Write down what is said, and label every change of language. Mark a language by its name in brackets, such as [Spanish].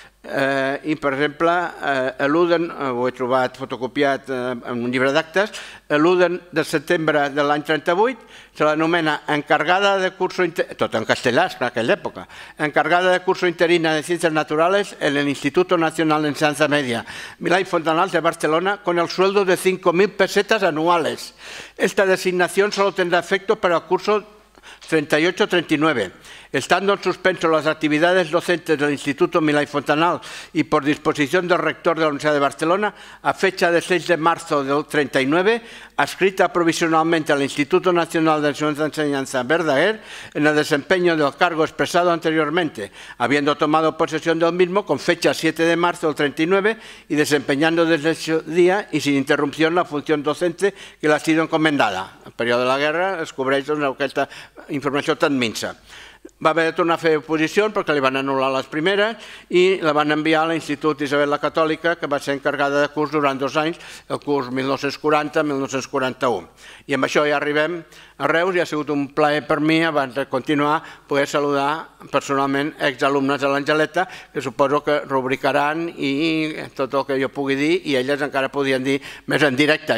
[Catalan] I, per exemple, eluden, ho he trobat fotocopiat en un llibre d'actes, eluden de setembre de l'any 38, se l'anomena [Spanish] encargada de curso interina, [Catalan] tot en castellà, en aquella època, encargada de curso interina de ciències naturales en l'Instituto Nacional de Ciència Mèdia, Milà i Fontanals de Barcelona, [Spanish] con el sueldo de 5.000 pesetas anuales. Esta designación solo tendrá efecto para el curso 38-39. Estando en suspenso las actividades docentes del Instituto Milà i Fontanals y por disposición del rector de la Universidad de Barcelona, a fecha de 6 de marzo del 39, adscrita provisionalmente al Instituto Nacional de Enseñanza Verdaguer en el desempeño del cargo expresado anteriormente, habiendo tomado posesión del mismo con fecha 7 de marzo del 39 y desempeñando desde ese día y sin interrupción la función docente que le ha sido encomendada. [Catalan] En el periodo de la guerra, descubréis aquesta informació tan minsa. Va haver de tornar a fer oposició perquè li van anul·lar les primeres i la van enviar a l'Institut Isabel la Catòlica, que va ser encarregada de curs durant 2 anys, el curs 1940-1941. I amb això ja arribem a Reus i ha sigut un plaer per mi, abans de continuar, poder saludar personalment exalumnes de l'Angeleta, que suposo que rubricaran i tot el que jo pugui dir, i elles encara podien dir més en directe.